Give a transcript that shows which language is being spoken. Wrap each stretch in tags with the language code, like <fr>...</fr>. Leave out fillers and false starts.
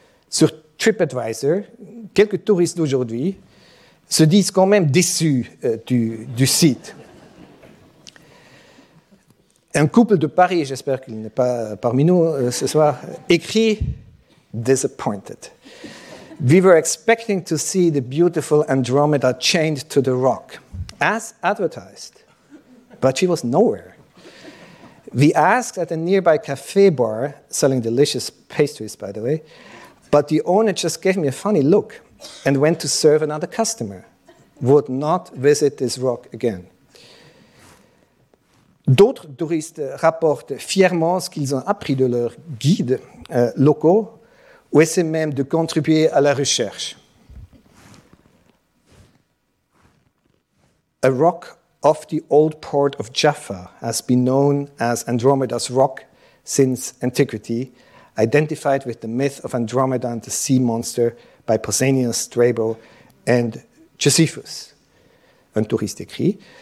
<fr>Sur TripAdvisor, quelques touristes d'aujourd'hui se disent quand même déçus du site. Un couple de Paris, j'espère qu'il n'est pas parmi nous ce soir, écrit « Disappointed ».</fr> <en>We were expecting to see the beautiful Andromeda chained to the rock, as advertised, but she was nowhere. We asked at a nearby cafe bar, selling delicious pastries, by the way, but the owner just gave me a funny look and went to serve another customer. Would not visit this rock again.</en> <fr>D'autres touristes rapportent fièrement ce qu'ils ont appris de leurs guides locaux, ou essaie même de contribuer à la recherche.</fr> <en>A rock off the old port of Jaffa has been known as Andromeda's Rock since antiquity, identified with the myth of Andromeda and the sea monster by Pausanias, Strabo and Josephus.</en> <fr>Un touriste écrit.</fr>